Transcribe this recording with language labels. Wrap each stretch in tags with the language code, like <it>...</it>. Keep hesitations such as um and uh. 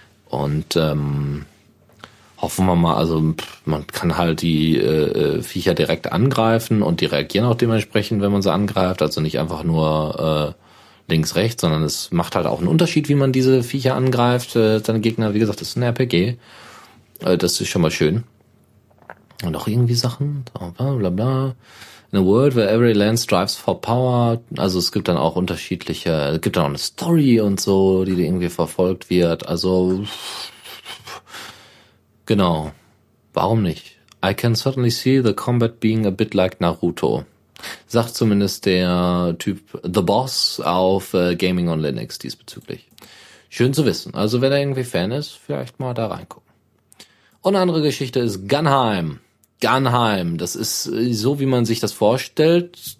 <de>Und ähm, hoffen wir mal, also man kann halt die äh, Viecher direkt angreifen und die reagieren auch dementsprechend, wenn man sie angreift. Also nicht einfach nur äh, links, rechts, sondern es macht halt auch einen Unterschied, wie man diese Viecher angreift. Äh, dann Gegner, wie gesagt, das ist ein RPG. Äh, das ist schon mal schön. Und auch irgendwie Sachen, bla bla bla.</de> <en>In a world where every land strives for power.</en> <de>Also es gibt dann auch unterschiedliche, es gibt dann auch eine Story und so, die irgendwie verfolgt wird. Also Genau. Warum nicht?</de> <en>I can certainly see the combat being a bit like Naruto.</en> <de>Sagt zumindest der Typ The Boss auf äh, Gaming on Linux diesbezüglich. Schön zu wissen. Also wenn er irgendwie Fan ist, vielleicht mal da reingucken. Und eine andere Geschichte ist Gunheim. Gunheim, das ist äh, so, wie man sich das vorstellt.</de>